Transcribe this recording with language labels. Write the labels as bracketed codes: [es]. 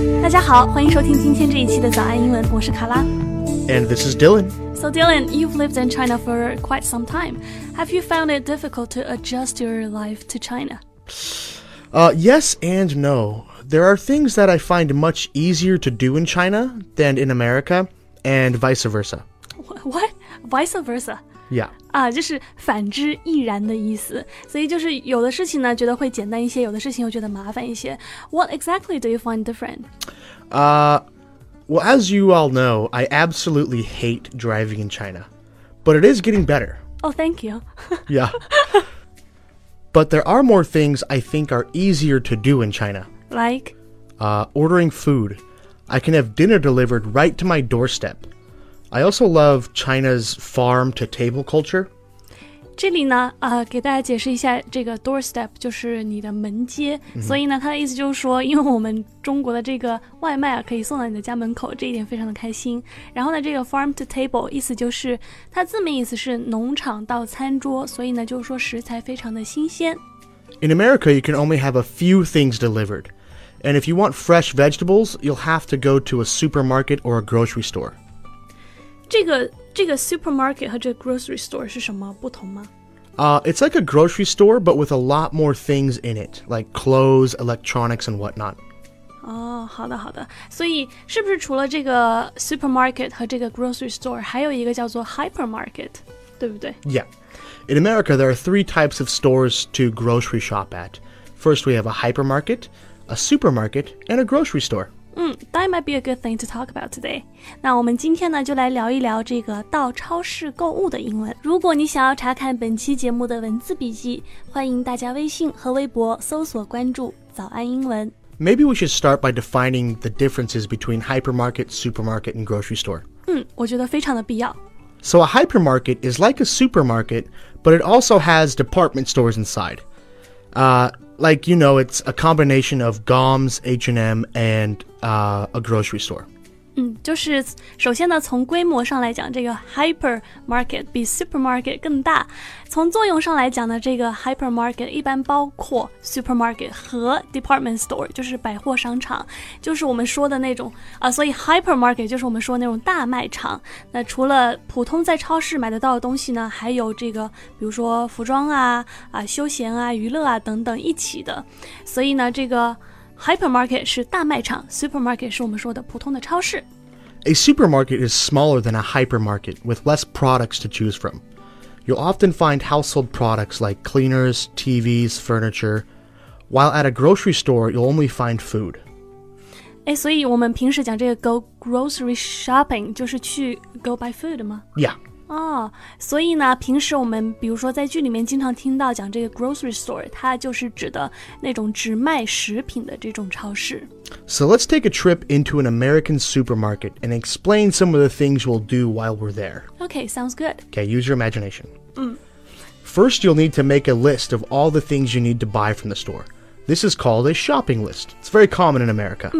[zh] 家好，欢迎收听今天这一期的早安英文，我是卡拉。 [en] And this is Dylan. So Dylan, you've lived in China for quite some time. Have you found it difficult to adjust your life to China? Yes and no. There are things that I find much easier to do in China than in America, and vice versa. What? Vice versa? Yeah. [zh] 就是反之亦然的意思。所以就是有的事情呢觉得会简单一些，有的事情又觉得麻烦一些。 [en] What exactly do you find different? Well, as you all know, I absolutely hate driving in China. But it is getting better. Oh, thank you. Yeah. But there are more things I think are easier to do in China. Like? Ordering food. I can have dinner delivered right to my doorstep. I also love China's farm-to-table culture. [zh] 这里呢、给大家解释一下这个 doorstep 就是你的门街、mm-hmm. 所以呢它的意思就是说因为我们中国的这个外卖、可以送到你的家门口，这一点非常的开心。然后呢这个 farm to table 意思就是它字面意思是农场到餐桌，所以呢就是说食材非常的新鲜。 [en] In America you can only have a few things delivered, and if you want fresh vegetables you'll have to go to a supermarket or a grocery store. [zh] 这个 supermarket 和这个 grocery store 是什么不同吗？ [en] It's like a grocery store, but with a lot more things in it, like clothes, electronics, and whatnot. [zh] 哦、oh, ，好的好的。所以是不是除了这个 supermarket 和这个 grocery store, 还有一个叫做 hypermarket, 对不对 [en] ？Yeah. In America, there are three types of stores to grocery shop at. First, we have a hypermarket, a supermarket, and a grocery store. That might be a good thing to talk about today. [zh] 那我们今天呢就来聊一聊这个到超市购物的英文。如果你想要查看本期节目的文字笔记，欢迎大家微信和微博搜索关注早安英文。 [en] Maybe we should start by defining the differences between hypermarket, supermarket, and grocery store. [zh] 我觉得非常的必要。 [en] So a hypermarket is like a supermarket, but it also has department stores inside. Like, you know, it's a combination of Gom's, H&M, anda grocery store. [zh] 就是首先呢从规模上来讲这个 hypermarket 比 supermarket 更大。从作用上来讲呢这个 hypermarket 一般包括 supermarket 和 department store, 就是百货商场。就是我们说的那种所以 hypermarket 就是我们说的那种大卖场。那除了普通在超市买得到的东西呢还有这个比如说服装啊休闲啊娱乐啊等等一起的。所以呢这个Hypermarket 是大卖场 ,supermarket 是我们说的普通的超市。 [en] A supermarket is smaller than a hypermarket with less products to choose from. You'll often find household products like cleaners, TVs, furniture, while at a grocery store you'll only find food. [zh] 所以我们平时讲这个 [en] go grocery shopping [zh] 就是去 [en] go buy food [zh] 吗 [en] ?Yeah. [zh] 所以呢平时我们比如说在剧里面经常听到讲这个 grocery store, 它就是指的那种只卖食品的这种超市。 [en] So let's take a trip into an American supermarket and explain some of the things we'll do while we're there. Okay, sounds good. Okay, use your imagination. First, you'll need to make a list of all the things you need to buy from the store. This is called a shopping list. It's very common in America.